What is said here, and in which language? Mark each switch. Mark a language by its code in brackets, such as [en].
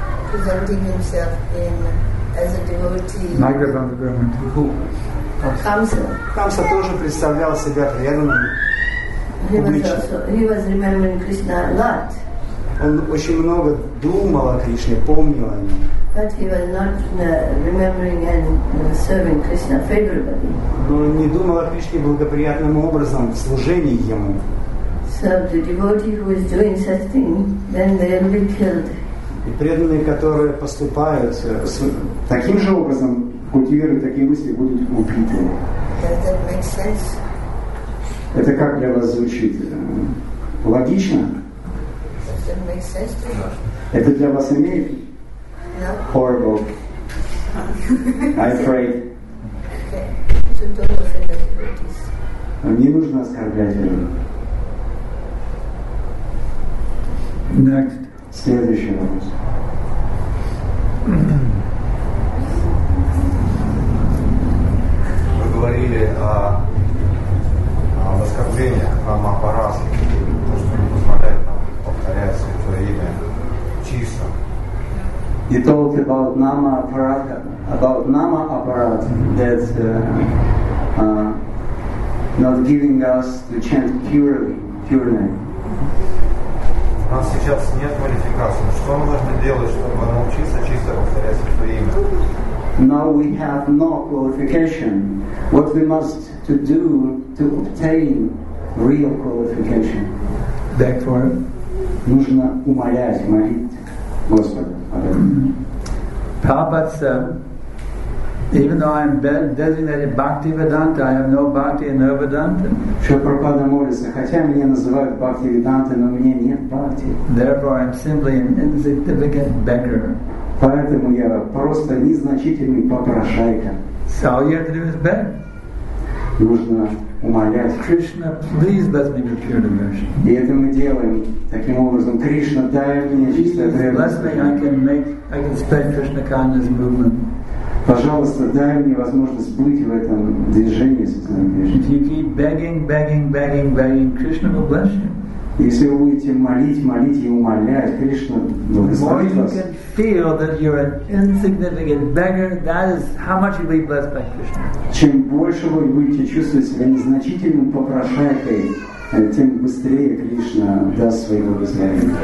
[en] Presenting himself in as a devotee. Nagarjuna, who? Kamsa. [ru] Kamsa тоже представлял себя преданным. [en] He was remembering Krishna a lot. [ru] Он очень много думал о Кришне, помнил о нем. [en] But he was not remembering and serving Krishna favorably. [ru] Но он не думал о Кришне благоприятным образом в служении ему. [en] So the devotee who is doing such thing, then they will be killed. [ru] И преданные, которые поступают таким же образом, культивируют такие мысли, будут убиты. [en] Does that make sense? [ru] Это как для вас звучит? Логично? [en] Does that make sense to you? [ru] Это для вас имеет? [en] No. Horrible. I pray. Okay. So don't offend the devotees. [ru] Не нужно оскорблять его. [en] Next. [ru] Следующий вопрос. Вы говорили о оскорблении храма Апарасы, то, что не позволяет нам повторять святое имя чисто. [en] You talked about Nama Aparatha, that not giving us to chant purely, pure name. [ru] У нас сейчас нет квалификации. Что нужно делать, чтобы научиться чисто повторять святое имя? [en] Now we have no qualification. What we must to do to obtain real qualification? Therefore, [ru] нужно умолять, молить Господа. [en] Prabhupada said, even though I am designated Bhaktivedanta, I have no bhakti and no vedanta. [ru] Prabhupada молится, хотя меня называют Бхактивиданта, но у меня нет бхакти. [en] Therefore, I am simply an insignificant beggar. [ru] Поэтому я просто незначительный попрошайка. [en] So all you have to do is beg. [ru] Нужно умолять. [en] Krishna, please let me be pure devotion. [ru] И это мы делаем таким образом. Krishna, дай мне чистое преданное. [en] Bless me, I can spread Krishna consciousness movement. [ru] Пожалуйста, дай мне возможность быть в этом движении сознания. [en] You keep begging, Krishna will bless you. [ru] Если вы будете молить и умолять, Кришна благословит вас. [en] The more you can feel that you're an insignificant beggar, that is how much you'll be blessed by Krishna. [ru] Чем больше вы будете чувствовать себя незначительным попрошайкой, тем быстрее Кришна даст свои благословения.